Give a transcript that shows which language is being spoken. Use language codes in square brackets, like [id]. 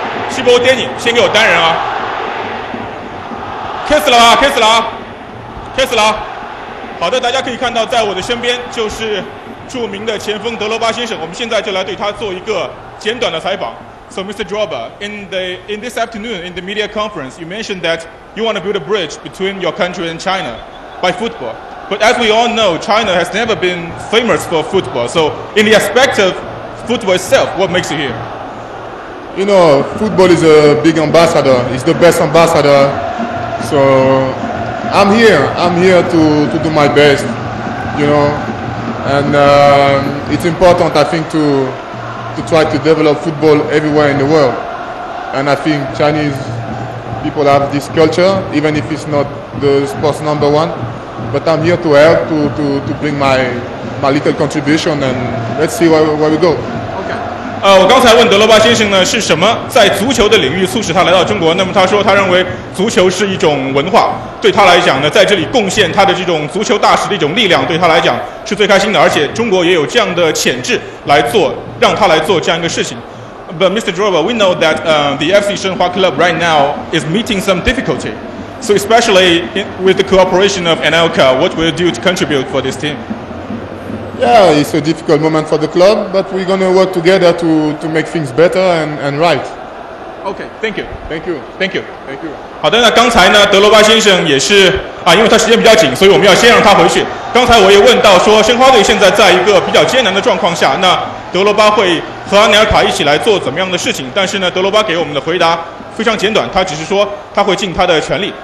[zh] 西伯电影，先给我单人啊！开始了啊，开始了啊，开始了！好的，大家可以看到，在我的身边就是著名的前锋德罗巴先生。我们现在就来对他做一个简短的采访。 [en] So, Mr. Drobba, in this afternoon in the media conference, you mentioned that you want to build a bridge between your country and China by football. But as we all know, China has never been famous for football. So, in the aspect of football itself, what makes you here? You know, football is a big ambassador. It's the best ambassador. So, I'm here. I'm here to do my best, you know. And it's important, I think, to try to develop football everywhere in the world. And I think Chinese people have this culture, even if it's not the sports number one. But I'm here to help, to bring my little contribution. And let's see where we go. [zh] 我刚才问德罗巴先生呢，是什么在足球的领域促使他来到中国？那么他说，他认为足球是一种文化，对他来讲呢，在这里贡献他的这种足球大使的一种力量，对他来讲是最开心的。而且中国也有这样的潜质来做，让他来做这样一个事情。 [en] But Mr. Drobba, we know that the FC Shenhua Club right now is meeting some difficulty. So especially with the cooperation of Anelka, what will you do to contribute for this team? Yeah, it's a difficult moment for the club, but we're going to work together to make things better and right. Okay, thank you. Thank you. Thank you. Thank you. [zh] 好的，那刚才呢，德罗巴先生也是啊，因为他时间比较紧，所以我们要先让他回去。刚才我也问到说，申花队现在在一个比较艰难的状况下，那德罗巴会和阿尼尔卡一起来做怎么样的事情？但是呢，德罗巴给我们的回答非常简短，他只是说他会尽他的全力。